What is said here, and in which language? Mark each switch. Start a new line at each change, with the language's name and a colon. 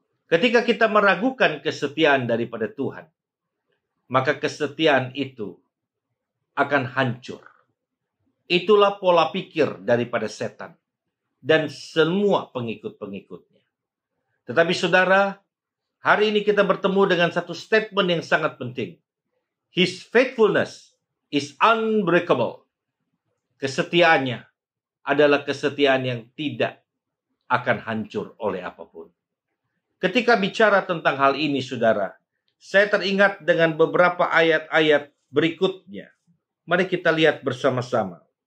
Indonesian: Ketika kita meragukan kesetiaan daripada Tuhan, maka kesetiaan itu akan hancur. Itulah pola pikir daripada setan dan semua pengikut-pengikutnya. Tetapi saudara, hari ini kita bertemu dengan satu statement yang sangat penting.
English: His faithfulness is unbreakable.
Indonesian: Kesetiaannya adalah kesetiaan yang tidak akan hancur oleh apapun. Ketika bicara tentang hal ini, saudara, saya teringat dengan beberapa ayat-ayat berikutnya. Mari kita lihat bersama-sama.